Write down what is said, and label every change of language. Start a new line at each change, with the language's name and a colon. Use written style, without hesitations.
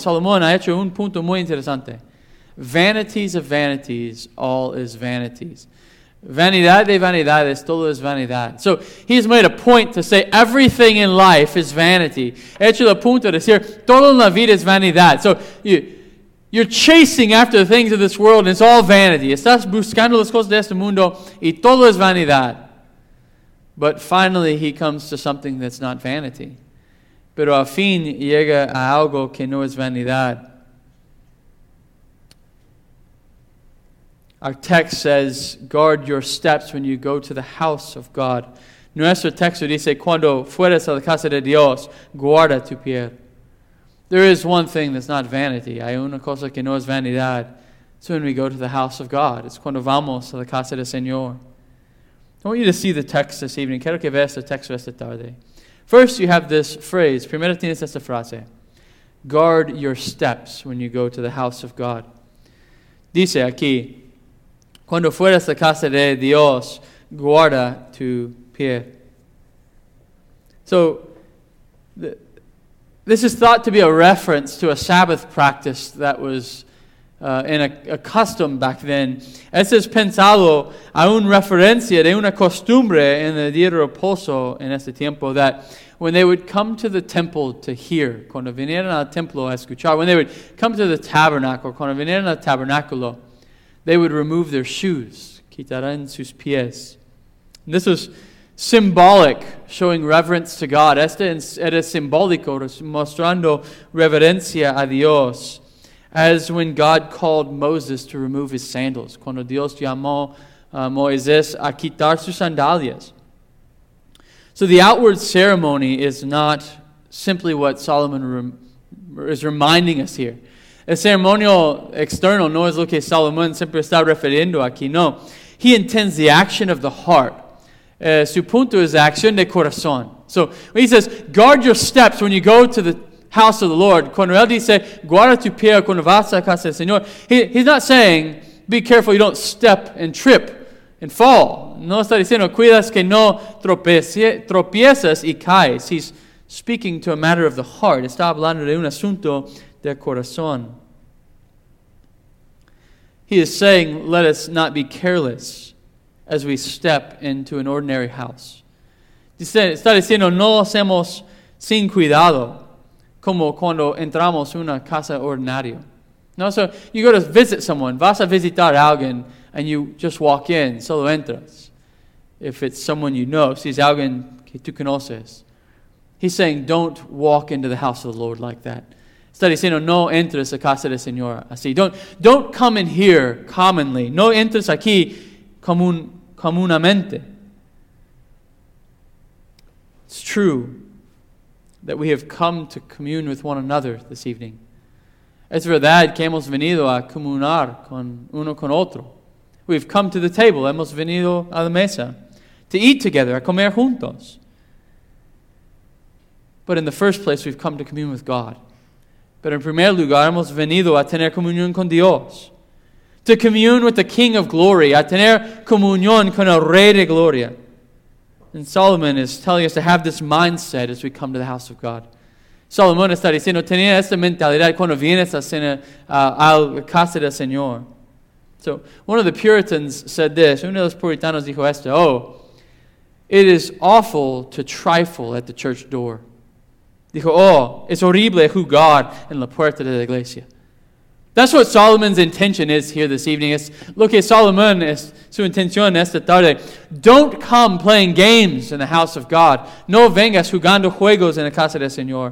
Spanish: Solomon ha hecho un punto muy interesante.
English: Vanities of vanities, all is vanities.
Spanish: Vanidad de vanidades, todo es vanidad.
English: So he's made a point to say everything in life is vanity.
Spanish: He hecho el punto de decir, todo en la vida es vanidad.
English: So you're chasing after the things of this world and it's all vanity.
Spanish: Estás buscando las cosas de este mundo y todo es vanidad.
English: But finally he comes to something that's not vanity.
Spanish: Pero al fin llega a algo que no es vanidad.
English: Our text says, guard your steps when you go to the house of God.
Spanish: Nuestro texto dice, cuando fueres a la casa de Dios, guarda tu pie.
English: There is one thing that's not vanity.
Spanish: Hay una cosa que no es vanidad.
English: It's when we go to the house of God.
Spanish: It's cuando vamos a la casa del Señor.
English: I want you to see the text this evening.
Spanish: Quiero que veas el texto esta tarde.
English: First, you have this phrase.
Spanish: Primero tienes esta frase.
English: Guard your steps when you go to the house of God.
Spanish: Dice aquí, cuando fueras a la casa de Dios, guarda tu pie.
English: So, this is thought to be a reference to a Sabbath practice that was in a custom back then.
Spanish: Este es pensado a una referencia de una costumbre en el día de reposo en este tiempo
English: that when they would come to the temple to hear,
Spanish: cuando vinieran al templo a escuchar,
English: when they would come to the tabernacle,
Spanish: cuando vinieran al tabernáculo,
English: they would remove their shoes,
Spanish: quitarán sus pies.
English: And this was symbolic, showing reverence to God.
Spanish: Este era simbólico, mostrando reverencia a Dios.
English: As when God called Moses to remove his sandals.
Spanish: Cuando Dios llamó a Moisés a quitar sus sandalias.
English: So the outward ceremony is not simply what Solomon is reminding us here.
Spanish: El ceremonial external no es lo que Salomón siempre está refiriendo aquí, no.
English: He intends the action of the heart.
Spanish: Su punto es la acción de corazón.
English: So, when he says, guard your steps when you go to the house of the Lord.
Spanish: Cuando él dice, guarda tu pie cuando vas a casa del Señor,
English: he's not saying, be careful you don't step and trip and fall.
Spanish: No está diciendo, cuidas que no tropiezas y caes.
English: He's speaking to a matter of the heart.
Spanish: Está hablando de un asunto del corazón.
English: He is saying, let us not be careless as we step into an ordinary house.
Spanish: Está diciendo, no lo hacemos sin cuidado, como cuando entramos en una casa ordinaria.
English: No, so you go to visit someone,
Spanish: vas a visitar a alguien,
English: and you just walk in,
Spanish: solo entras.
English: If it's someone you know,
Spanish: si es alguien que tú conoces.
English: He's saying, don't walk into the house of the Lord like that.
Spanish: Está diciendo, no entres a casa del Señor así.
English: Don't come in here commonly.
Spanish: No entres aquí comúnmente.
English: It's true that we have come to commune with one another this evening.
Spanish: Es verdad que hemos venido a comunar con uno con otro.
English: We've come to the table.
Spanish: Hemos venido a la mesa.
English: To eat together,
Spanish: a comer juntos.
English: But in the first place, we've come to commune with God.
Spanish: Pero en primer lugar, hemos venido a tener comunión con Dios.
English: To commune with the King of Glory.
Spanish: A tener comunión con el Rey de Gloria.
English: And Solomon is telling us to have this mindset as we come to the house of God.
Spanish: Solomon está diciendo, tenía esta mentalidad cuando vienes a la casa del Señor.
English: So, one of the Puritans said this.
Spanish: Uno de los puritanos dijo esto.
English: Oh, it is awful to trifle at the church door.
Spanish: Dijo, oh, es horrible jugar en la puerta de la iglesia.
English: That's what Solomon's intention is here this evening.
Spanish: Es lo que Solomon es su intención esta tarde.
English: Don't come playing games in the house of God.
Spanish: No vengas jugando juegos en la casa del Señor.